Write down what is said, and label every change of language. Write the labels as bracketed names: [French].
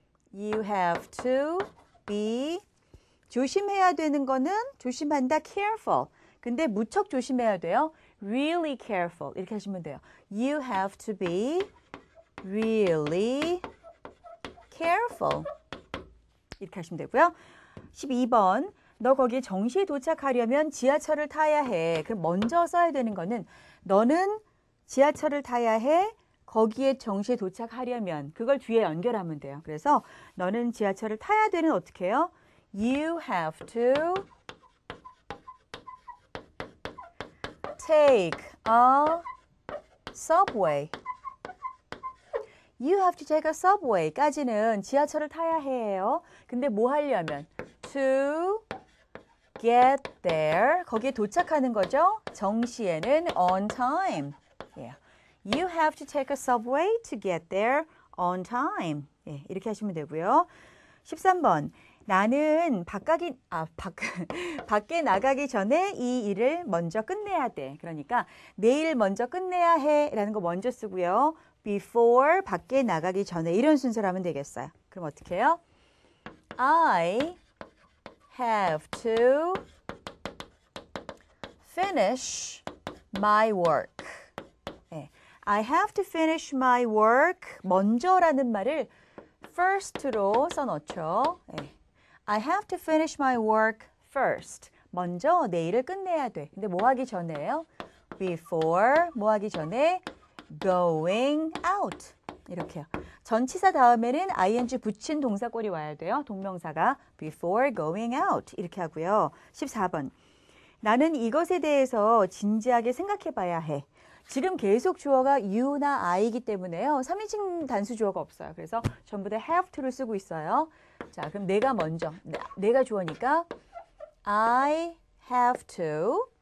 [English] You have to be [Korean] 조심해야 되는 거는 조심한다 [English] careful. [Korean] 근데 무척 조심해야 돼요. [English] really careful [Korean] 이렇게 하시면 돼요. [English] You have to be really careful. [Korean] 이렇게 하시면 되고요. 12번. 너 거기 정시에 도착하려면 지하철을 타야 해. 그럼 먼저 써야 되는 거는 너는 지하철을 타야 해. 거기에 정시에 도착하려면 그걸 뒤에 연결하면 돼요. 그래서 너는 지하철을 타야 되는 어떻게 해요? [English] You have to take a subway. You have to take a subway [Korean] 까지는 지하철을 타야 해요. 근데 뭐 하려면? [English] To get there. [Korean] 거기에 도착하는 거죠? [English] 정시에는 on time. Yeah. You have to take a subway to get there on time. [Korean] 예, 이렇게 하시면 되고요. 13번. 나는 바깥이, 밖에 나가기 전에 이 일을 먼저 끝내야 돼. 그러니까 내일 먼저 끝내야 해라는 거 먼저 쓰고요. [English] Before [Korean] 밖에 나가기 전에 이런 순서로 하면 되겠어요. 그럼 어떻게 해요? [English] I have to finish my work. 네. I have to finish my work. [Korean] 먼저라는 말을 first로 써놓죠. 네. [English] I have to finish my work first. [Korean] 먼저 내 일을 끝내야 돼. 근데 뭐 하기 전에요? [English] Before [Korean] 뭐 하기 전에? [English] Going out [Korean] 이렇게요. 전치사 다음에는 ing 붙인 동사 꼴이 와야 돼요. 동명사가 [English] before going out [Korean] 이렇게 하고요. 14번. 나는 이것에 대해서 진지하게 생각해 봐야 해. 지금 계속 주어가 you나 I이기 때문에요. 3인칭 단수 주어가 없어요. 그래서 전부 다 [English] have to [Korean] 를 쓰고 있어요. 자, 그럼 내가 먼저. 내가 주어니까 [English] I have to.